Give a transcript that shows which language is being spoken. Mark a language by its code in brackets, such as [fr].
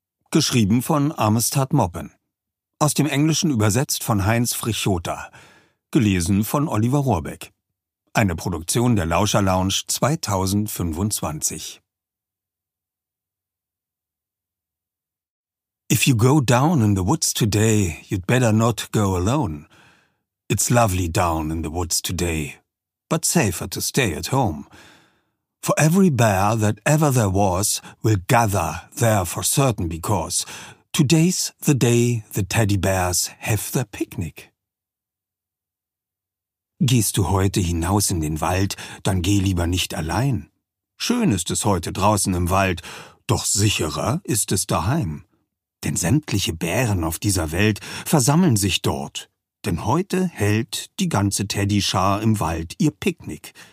[de] Geschrieben von Amistad Moppen. Aus dem Englischen übersetzt von Heinz Frichota. Gelesen von Oliver Rohrbeck. Eine Produktion der Lauscher Lounge 2025. [en] If you go down in the woods today, you'd better not go alone. It's lovely down in the woods today, but safer to stay at home. For every bear that ever there was will gather there for certain, because today's the day the teddy bears have their picnic. [de] Gehst du heute hinaus in den Wald, dann geh lieber nicht allein. Schön ist es heute draußen im Wald, doch sicherer ist es daheim. Denn sämtliche Bären auf dieser Welt versammeln sich dort, denn heute hält die ganze Teddyschar im Wald ihr Picknick.